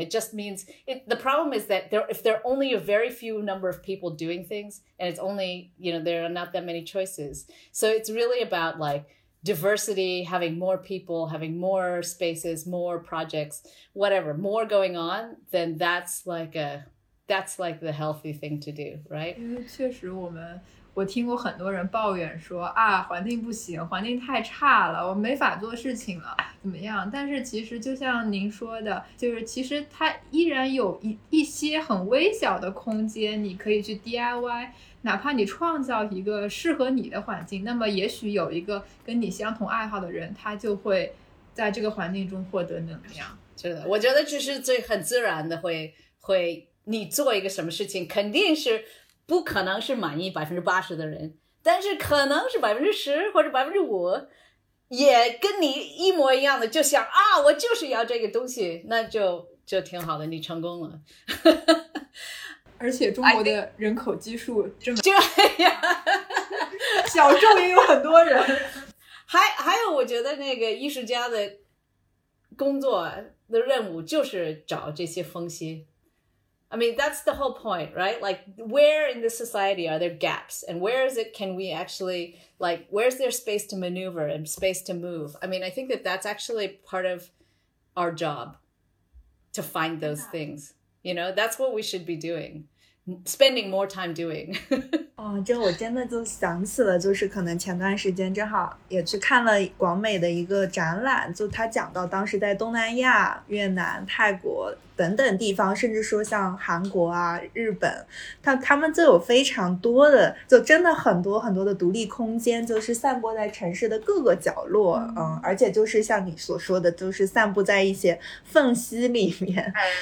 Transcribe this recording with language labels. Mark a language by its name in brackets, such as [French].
[English] It just means the problem is that if there are only a very few number of people doing things, and it's only, you know, there are not that many choices. So it's really about like diversity, having more people, having more spaces, more projects, whatever, more going on, then that's like the healthy thing to do, right? [Chinese] 确实我听过很多人抱怨说啊，环境不行，环境太差了，我没法做事情了，怎么样？但是其实就像您说的，就是其实它依然有一些很微小的空间，你可以去 DIY， 哪怕你创造一个适合你的环境，那么也许有一个跟你相同爱好的人，他就会在这个环境中获得能量。是的，我觉得这是最很自然的，会你做一个什么事情，肯定是。不可能是满意80%的人，但是可能是10%或者5%，也跟你一模一样的，就想啊，我就是要这个东西，那就挺好的，你成功了。而且中国的人口基数这么这样，小众也有很多人。还有，我觉得那个艺术家的工作的任务就是找这些缝隙。 [English] I mean, that's the whole point, right? Like, where in the society are there gaps? And where is it can we actually, like, where's there space to maneuver and space to move? I mean, I think that that's actually part of our job, to find those things. You know, that's what we should be doing. Spending more time doing. [Chinese] 哦，这我真的就想起了，就是可能前段时间正好也去看了广美的一个展览，就他讲到当时在东南亚、越南、泰国等等地方，甚至说像韩国啊、日本，他们就有非常多的，就真的很多很多的独立空间，就是散播在城市的各个角落，嗯，而且就是像你所说的，就是散布在一些缝隙里面。